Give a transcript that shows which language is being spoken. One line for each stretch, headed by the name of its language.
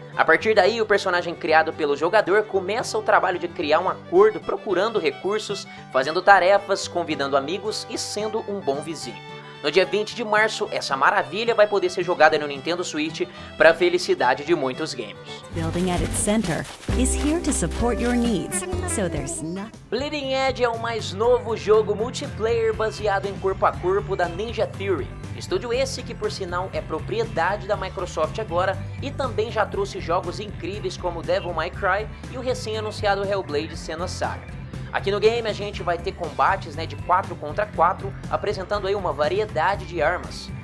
Portuguese: A partir daí, o personagem criado pelo jogador começa o trabalho de criar um acordo, procurando recursos, fazendo tarefas, convidando amigos e sendo um bom vizinho. No dia 20 de março, essa maravilha vai poder ser jogada no Nintendo Switch para a felicidade de muitos gamers.
English: Building at its center is here to support your needs, so there's nothing.
Portuguese: Bleeding Edge é o mais novo jogo multiplayer baseado em corpo a corpo da Ninja Theory. Estúdio esse que, por sinal, é propriedade da Microsoft agora e também já trouxe jogos incríveis como Devil May Cry e o recém-anunciado Hellblade: Senua's Saga. Aqui no game a gente vai ter combates, né, de 4 contra 4, apresentando aí uma variedade de armas.